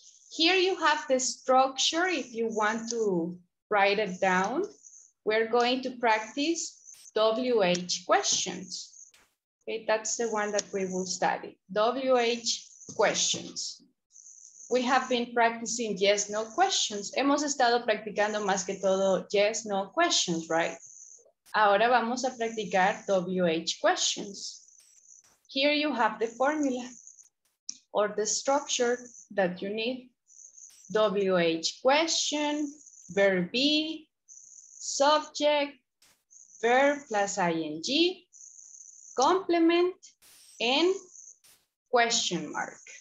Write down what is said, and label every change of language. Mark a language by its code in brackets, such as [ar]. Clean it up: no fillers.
[en] Here you have the structure if you want to write it down. We're going to practice WH questions. Okay, that's the one that we will study, WH questions. We have been practicing yes, no questions. [es] Hemos estado practicando más que todo [en] yes, no questions, right? [es] Ahora vamos a practicar WH questions. [en] Here you have the formula or the structure that you need. WH question, verb be, subject, verb plus ing, complement, and question mark.